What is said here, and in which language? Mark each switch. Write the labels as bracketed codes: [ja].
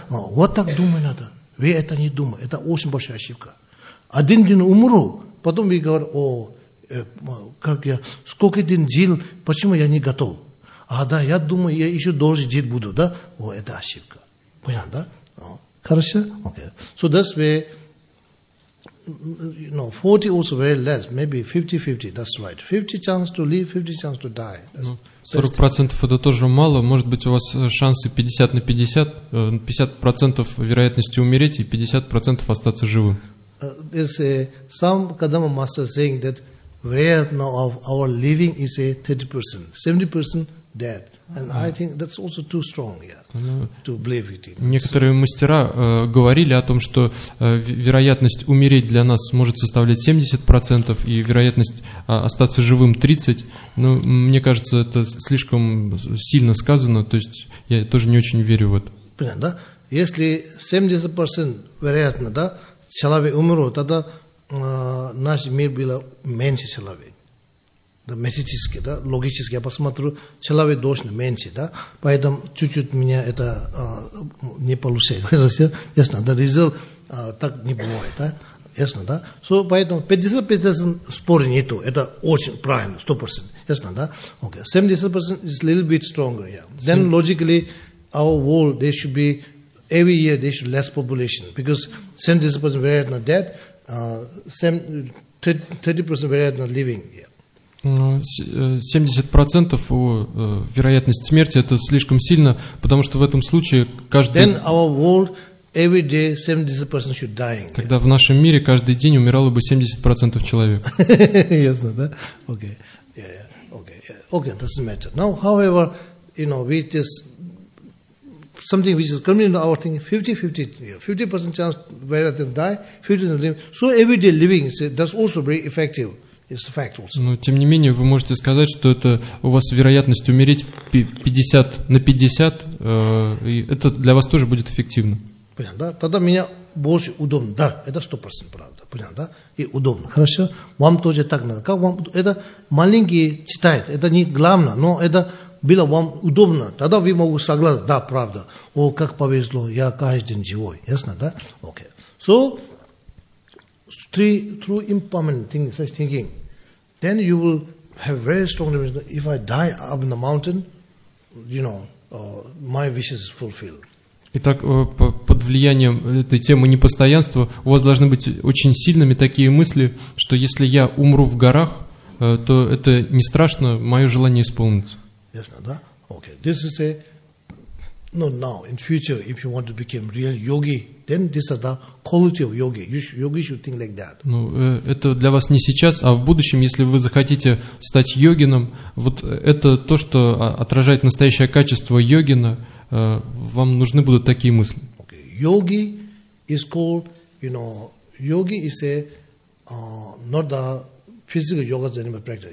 [ru] Вот так думать надо. Вы это не думаете, это очень большая ошибка. Один день умру, потом вы говорите, сколько день жил, почему я не готов? А, да, я думаю, я еще дольше жить буду, да? О, это ошибка. Понятно, да? Хорошо? Okay. [en] So that's way, you know, 40 also very less, maybe 50-50, that's right. 50 chance to live, 50 chance to die. That's [ru] 40% это тоже мало. Может быть, у вас шансы 50 на 50, 50% вероятности умереть и 50% остаться живым. [en] There's some Kadama master saying that вероятно of our living is a 30%, 70% dead. And I think that's also too strong, yeah, to believe it. [ru] Некоторые мастера говорили о том, что вероятность умереть для нас может составлять 70% и вероятность остаться живым 30%. Но мне кажется, это слишком сильно сказано, то есть я тоже не очень верю в это. Понятно, да? Если 70% вероятно, да, человек умрет, тогда наш мир был меньше человек. Да, математически, да, логически я посмотрю, человек должен меньше, да, поэтому чуть-чуть меня это не получается, ясно, да, result так не бывает, да, ясно, да, so, поэтому 50% спор нету, это очень правильно, 100%, ясно, да, okay. [en] 70% is a little bit stronger, yeah. Then logically our world, there should be, every year there should be less population, because 70% were not dead, 30% were not living, yeah. [ru] 70% вероятность смерти это слишком сильно, потому что в этом случае тогда в нашем мире каждый день умирало бы 70% человек. Ясно, да? [en] Okay. Yeah, yeah. Okay, that's the matter. Now, however, you know, we just something which is coming into our thing, 50-50, 50% chance rather than die, 50% live. So everyday living is that's also very effective. [ru] Но тем не менее вы можете сказать, что это у вас вероятность умереть 50 на 50, и это для вас тоже будет эффективно. Понятно, да? Тогда меня больше удобно. Да, это 100% правда. Понятно, да? И удобно. Хорошо? Вам тоже так надо. Как вам? Это маленькие читают, это не главное, но это было вам удобно. Тогда вы можете согласиться. Да, правда. О, как повезло, я каждый день живой. Ясно, да? Окей. [en] So, through impermanent thing, such thinking, then you will have very strong reason. If I die up in the mountain, you know, my wishes is fulfilled. [ru] Итак, под влиянием этой темы непостоянства у вас должны быть очень сильными такие мысли, что если я умру в горах, то это не страшно, мое желание исполнится. Ясно, да? Okay. [en] This is a not now, in future, if you want to become real yogi. Then this is the quality of yogi. Yogi should think like that. [ru] Ну, это для вас не сейчас, а в будущем, если вы захотите стать йогином, вот это то, что отражает настоящее качество йогина, вам нужны будут такие мысли. [en] Okay. Yogi is called, you know, yogi is a not the physical yoga that anybody practice.